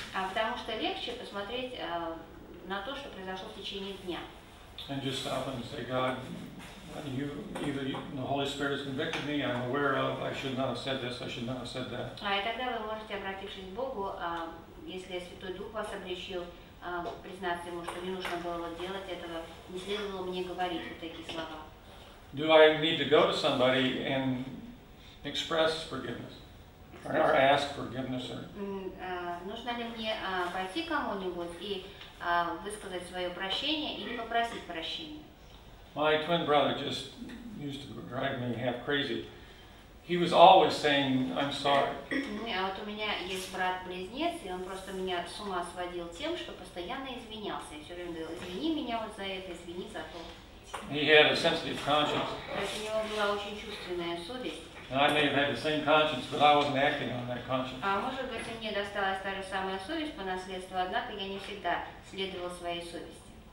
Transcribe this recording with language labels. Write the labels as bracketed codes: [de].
[ru] Потому что легче посмотреть на то, что произошло в течение дня. [en] And just stop and say, God, you, either you, the Holy Spirit has convicted me, I'm aware of, I should not have said this, I should not have said that. [ru] И тогда вы можете, обратившись к Богу, если Святой Дух вас обличил, признаться Ему, что не нужно было делать этого, не следовало мне говорить вот такие слова. [en] Do I need to go to somebody and express forgiveness? Or ask forgiveness? [ru] Нужно ли мне пойти кому-нибудь и высказать свое прощение или попросить прощения? [en] My twin brother just used to drive me half crazy. He was always saying, I'm sorry. [ru] А вот у меня есть брат-близнец, и он просто меня с ума сводил тем, что постоянно извинялся. Я все время говорил, извини меня вот за это, извини за то. [en] He had a sensitive conscience. [ru] То есть у него была очень чувственная совесть. [en] I may have had the same conscience, but I wasn't acting on that conscience. [ru] А может быть, мне досталась та же самая совесть по наследству, однако я не всегда следовал своей совести.